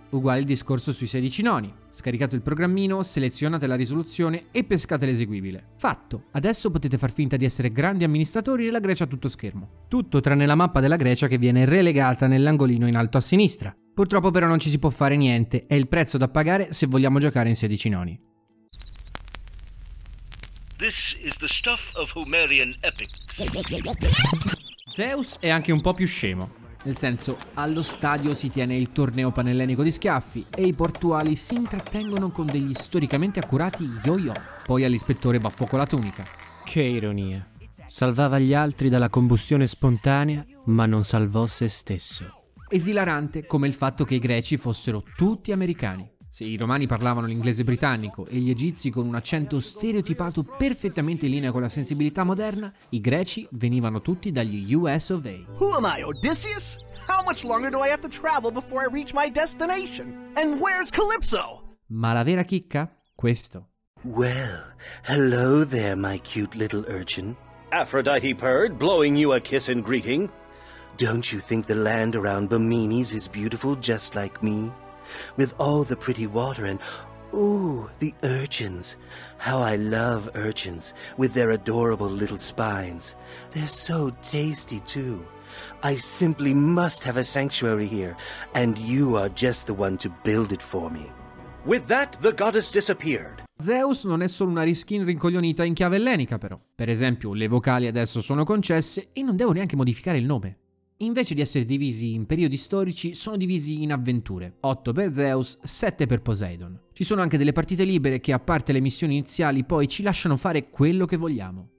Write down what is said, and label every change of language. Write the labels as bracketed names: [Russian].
[Italian] Uguale il discorso sui 16 noni. Scaricate il programmino, selezionate la risoluzione e pescate l'eseguibile. Fatto! Adesso potete far finta di essere grandi amministratori della Grecia a tutto schermo. Tutto tranne la mappa della Grecia che viene relegata nell'angolino in alto a sinistra. Purtroppo però non ci si può fare niente, è il prezzo da pagare se vogliamo giocare in 16 noni. [English] This is the stuff of Homerian epics. [Italian] Zeus è anche un po' più scemo. Nel senso, allo stadio si tiene il torneo panellenico di schiaffi e i portuali si intrattengono con degli storicamente accurati yo-yo. Poi all'ispettore va a fuoco la tunica. Che ironia. Salvava gli altri dalla combustione spontanea, ma non salvò se stesso. Esilarante come il fatto che i greci fossero tutti americani. Se i romani parlavano l'inglese britannico e gli egizi con un accento stereotipato perfettamente in linea con la sensibilità moderna, i greci venivano tutti dagli US of A. [English] Who am I, Odysseus? How much longer do I have to travel before I reach my destination? And where's Calypso? Ma la vera chicca? Questo. Well, hello there, my cute little urchin. Aphrodite purred, blowing you a kiss in greeting. Don't you think the land around Bimini's is beautiful just like me? With all the pretty water and, ooh, the urchins. How I love urchins, with their adorable little spines. They're so tasty, too. I simply must have a sanctuary here, and you are just the one to build it for me. With that, the goddess disappeared. [Italian] Zeus non è solo una reskin rincoglionita in chiave ellenica, però. Per esempio, le vocali adesso sono concesse e non devo neanche modificare il nome. Invece di essere divisi in periodi storici, sono divisi in avventure. 8 per Zeus, 7 per Poseidon. Ci sono anche delle partite libere che, a parte le missioni iniziali, poi ci lasciano fare quello che vogliamo.